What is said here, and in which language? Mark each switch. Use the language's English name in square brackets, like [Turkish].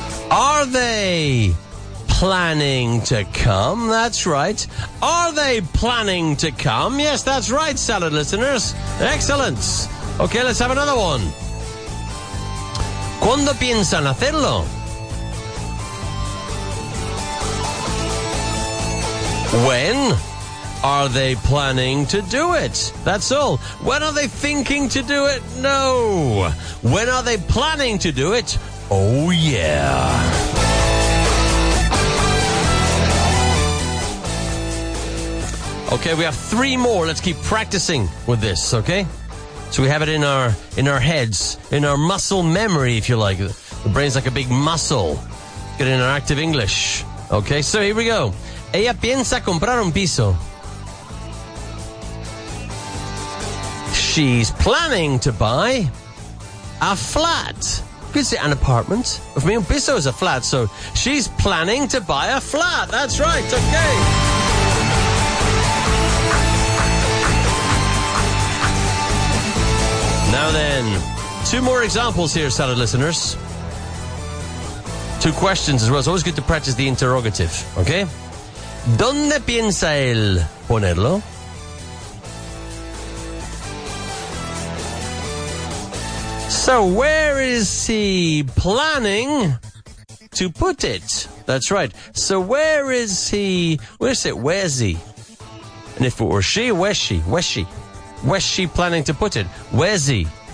[English] Are they planning to come? That's right. Are they planning to come? Yes, that's right, salad listeners. Excellent. Okay, let's have another one. [Spanish] ¿Cuándo piensan hacerlo? [English] When are they planning to do it? That's all. When are they thinking to do it? No. When are they planning to do it? Oh, yeah. Okay, we have three more. Let's keep practicing with this, okay? So we have it in our heads, in our muscle memory, if you like. The brain's like a big muscle. Get in our active English. Okay, so here we go. [Spanish] Ella piensa comprar un piso. [English] She's planning to buy a flat. You could say an apartment. For me, un piso is a flat, so she's planning to buy a flat. That's right, okay. then. Two more examples here, salad listeners. Two questions as well. It's always good to practice the interrogative, okay? [Spanish] ¿Dónde piensa él ponerlo? [English] So, where is he planning to put it? That's right. So, where is he? Where's it? Where's he? And if it were she, where's she? Where's she? Where's she planning to put it? Where's he?